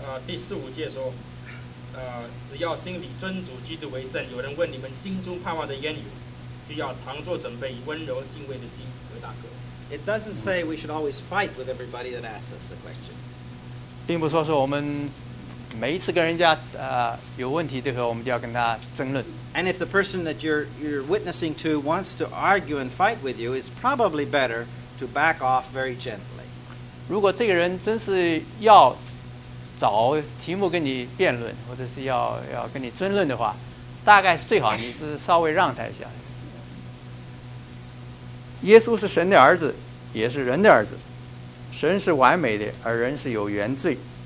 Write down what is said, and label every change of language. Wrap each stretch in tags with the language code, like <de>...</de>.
<zh>第十五节说，只要心里尊主基督为圣，有人问你们心中盼望的言语，就要常做准备，以温柔敬畏的心回答各。</zh> <en>It doesn't say we should always fight with everybody that asks us the question.</en> <zh>并不说是我们每一次跟人家有问题的时候，我们就要跟他争论。</zh> <en>And if the person that you're witnessing to wants to argue and fight with you, it's probably better to back off very gently.</en> <zh>如果这个人真是要找题目跟你辩论，或者是要跟你争论的话，大概是最好你是稍微让他一下。耶稣是神的儿子，也是人的儿子。神是完美的，而人是有原罪。</zh>